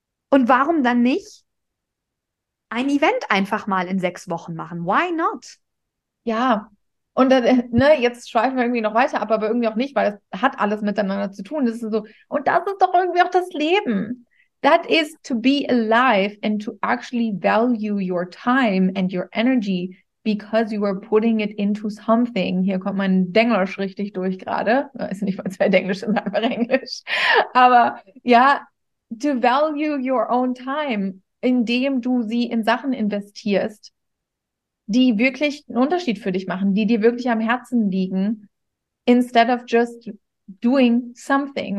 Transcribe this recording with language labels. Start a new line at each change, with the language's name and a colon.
German: Und warum dann nicht ein Event einfach mal in 6 Wochen machen?
English: Why not?
German: Ja. Und ne, jetzt schweifen wir irgendwie noch weiter ab, aber irgendwie auch nicht, weil es hat alles miteinander zu tun. Das ist so, und das ist doch irgendwie auch das Leben.
English: That is to be alive and to actually value your time and your energy because you are putting it into something.
German: Hier kommt mein Denglisch richtig durch gerade. Weiß nicht, was für Denglisch ist, einfach Englisch. Aber ja,
English: to value your own time,
German: indem du sie in Sachen investierst, die wirklich einen Unterschied für dich machen, die dir wirklich am Herzen liegen,
English: instead of just doing something.